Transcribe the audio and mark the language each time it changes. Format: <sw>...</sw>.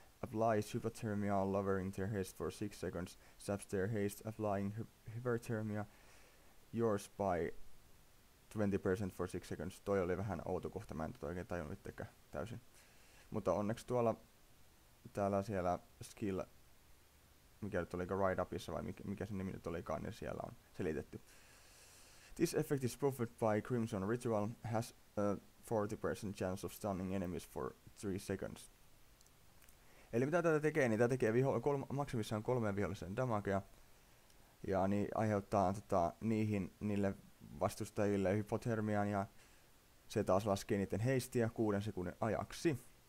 <en>Applies hypothermia, lowering their haste for 6 seconds. Saps their haste, applying hypothermia yours by 20% for 6 seconds.</en> <fi>Toi oli vähän outo kohta, mä en tuota oikein tajunnut itsekään täysin. Mutta onneksi tuolla, täällä siellä skill, mikä nyt oli Ride Upissa vai mikä sen nimi nyt olikaan, niin siellä on selitetty.</fi> <en>This effect is buffed by Crimson Ritual, has a 40% chance of stunning enemies for 3 seconds.</en> <fi>Eli mitä tätä tekee, niin tämä tekee maksimissaan 3 vihollisen damagea. Ja niin aiheuttaa niille vastustajille hypotermian ja se taas laskee niiden heistiä 6 sekunnin ajaksi.</fi>